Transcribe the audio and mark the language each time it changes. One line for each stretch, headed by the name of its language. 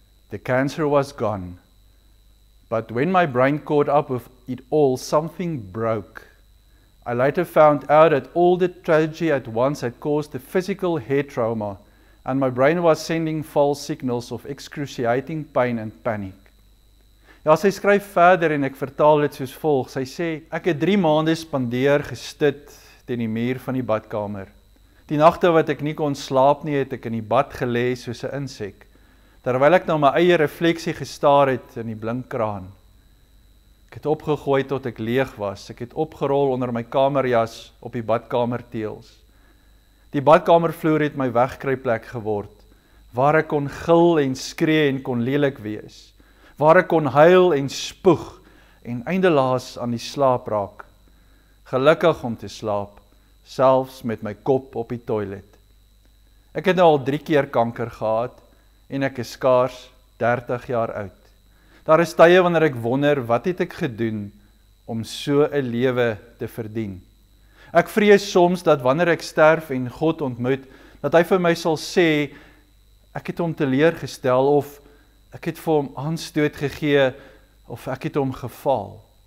English: The cancer was gone. But when my brain caught up with it all, something broke. I later found out that all the tragedy at once had caused a physical head trauma and my brain was sending false signals of excruciating pain and panic."
Afrikaans: Ja, sy skryf verder en ek vertaal dit soos volg. Sy sê, "Ek het 3 maande spandeer gestit teen die muur van die badkamer. Die nagte wat ek nie kon slaap nie, het ek in die bad gelê soos 'n insek, terwyl ek na my eie refleksie gestaar het in die blinkkraan. Ek het opgegooi tot ek leeg was. Ek het opgerol onder my kamerjas op die badkamerteels. Die badkamervloer het my wegkruipplek geword, waar ek kon gil en skree en kon lelik wees, waar ek kon huil en spoeg en eindelaas aan die slaap raak. Gelukkig om te slaap, selfs met my kop op die toilet. Ek het nou al 3 keer kanker gehad en ek is skaars 30 jaar oud. Daar is tye wanneer ek wonder, wat het ek gedoen om so 'n lewe te verdien? Ek vrees soms dat wanneer ek sterf en God ontmoet, dat hy vir my sal sê, ek het hom teleurgestel of ek het vir hom aanstoot gegee of ek het hom gefaal.